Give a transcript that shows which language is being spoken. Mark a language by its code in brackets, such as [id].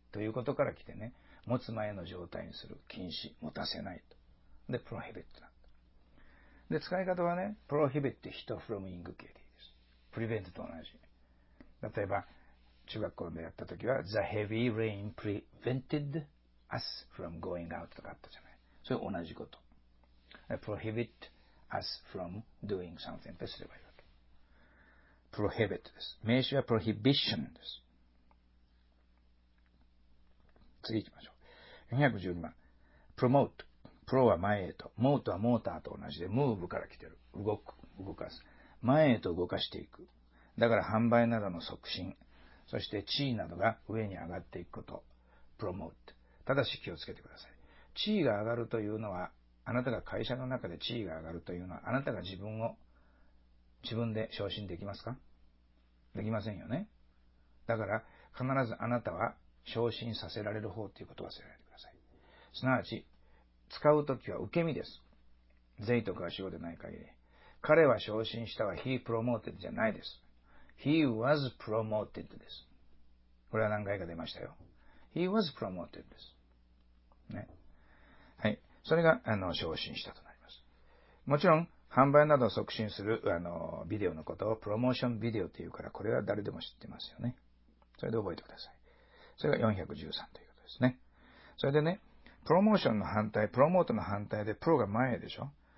[ja] ということから来てね、持つ前の状態にする禁止、持たせないと。で、prohibit だ。で、使い方はね、prohibit人 from inculcating です。 prevent と同じ。例えば、中学校でやったときは、 [en] the heavy rain prevented us from going out [ja] とかあったじゃない。それ同じこと。 [en] prohibit us from doing something [ja] とすればいいわけ。 prohibit です。名詞は prohibition です。次行きましょう。412番。promote。プロは前へと。モートはモーターと同じで、ムーブから来てる。動く、動かす。前へと動かしていく。だから販売などの促進、そして地位などが上に上がっていくこと。プロモート。ただし気をつけてください。地位が上がるというのは、あなたが会社の中で地位が上がるというのは、あなたが自分で昇進できますか？できませんよね。だから、必ずあなたは昇進させられる方ということを忘れないでください。すなわち、使うときは受け身です。税とか仕事でない限り。彼は昇進したは、 [en] he promoted [ja] じゃないです。 [en] he was promoted です。 [ja] これは何回か出ましたよ。 [en] he was promoted です。 [ja] ね。はい。それが、昇進したとなります。もちろん、販売などを促進する、ビデオのことを、プロモーションビデオというから、これは誰でも知ってますよね。それで覚えてください。それが413ということですね。それでね、プロモーションの反対、プロモートの反対で、プロが前でしょ？